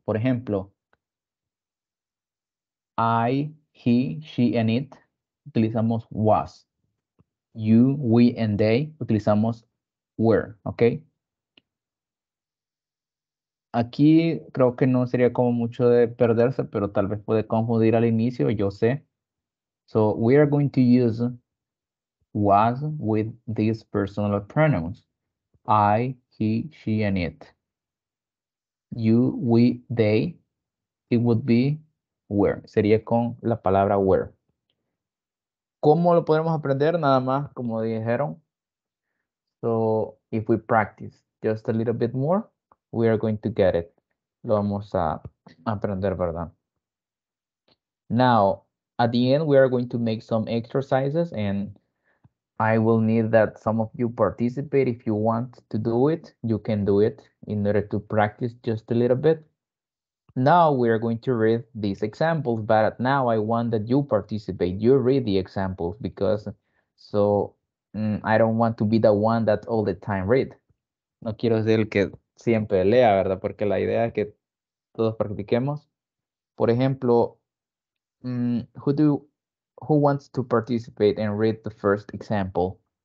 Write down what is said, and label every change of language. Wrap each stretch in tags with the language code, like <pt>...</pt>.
<es>Por ejemplo, I, he, she, and it, utilizamos was. You, we, and they, utilizamos were, ¿ok? Aquí creo que no sería como mucho de perderse, pero tal vez puede confundir al inicio, yo sé.</es> <en>So, we are going to use was with these personal pronouns. I, he, she, and it. You, we, they. It would be were.</en> <es>Sería con la palabra were. ¿Cómo lo podemos aprender? Nada más, como dijeron.</es> <en>So, if we practice just a little bit more, we are going to get it.</en> <es>Lo vamos a aprender, ¿verdad?</es> <en>Now, at the end, we are going to make some exercises, and I will need that some of you participate. If you want to do it, you can do it in order to practice just a little bit. Now, we are going to read these examples, but now I want that you participate. You read the examples, because I don't want to be the one that all the time read.</en> <es>No quiero ser el que siempre lea, ¿verdad? Porque la idea es que todos practiquemos. Por ejemplo,</es> <en>who wants to participate and read the first example?</en>